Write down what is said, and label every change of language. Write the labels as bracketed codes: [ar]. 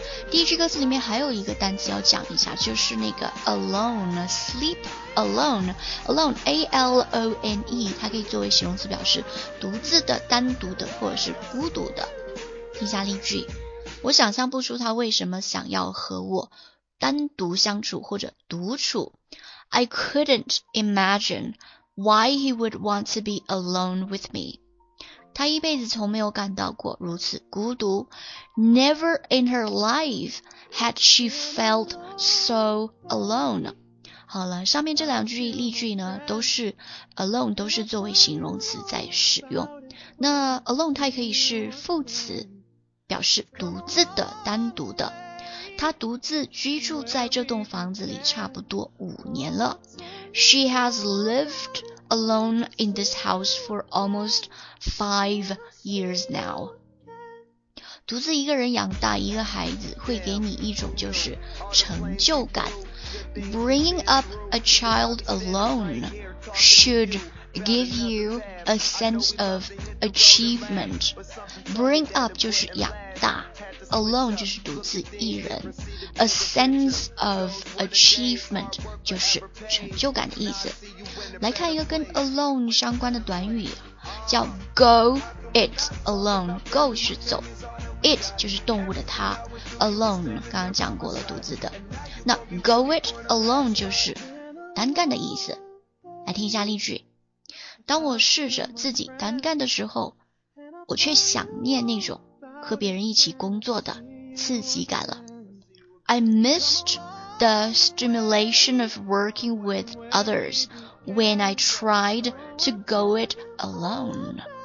[zh] 第一句歌词里面还有一个单词要讲一下，就是那个 alone， sleep alone， alone A-L-O-N-E， 它可以作为形容词表示独自的、单独的或者是孤独的。听下例句，我想象不出他为什么想要和我单独相处或者独处。 [en] I couldn't imagine why he would want to be alone with me. [zh] 他一辈子从没有感到过如此孤独。 [en] Never in her life had she felt so alone. [zh] 好了，上面这两句例句呢都是 alone， 都是作为形容词在使用。那 alone 它也可以是副词，表示独自的、单独的。她独自居住在这栋房子里差不多五年了。 [en] She has lived alone in this house for almost 5 years now. [zh] 独自一个人养大一个孩子会给你一种就是成就感。 [en] Bringing up a child alone should give you a sense of achievement. [zh] Bring up 就是养大， alone 就是独自一人， [en] a sense of achievement [zh] 就是成就感的意思。来看一个跟 alone 相关的短语，叫 go it alone。 go 是走， it 就是动物的它， alone 刚刚讲过了独自的，那 go it alone 就是单干的意思。来听一下例句，当我试着自己单干的时候，我却想念那种和别人一起工作的刺激感了。 [en] I missed the stimulation of working with others when I tried to go it alone.